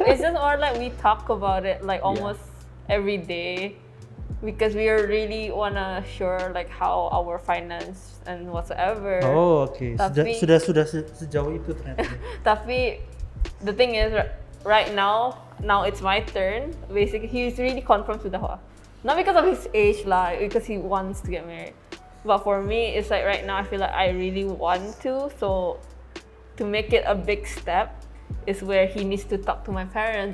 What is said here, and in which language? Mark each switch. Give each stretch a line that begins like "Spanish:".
English: It's just more like we talk about it like almost every day. Because we are really wanna sure like how our finance and whatsoever. Oh, okay.
Malay: Sudah sejauh itu ternyata.
English: Tapi the thing is right now it's my turn. Basically he's really confirmed to the whole. Not because of his age lah, because he wants to get married. But for me it's like right now I feel like I really want to, so to make it a big step is where he needs to talk to my parents.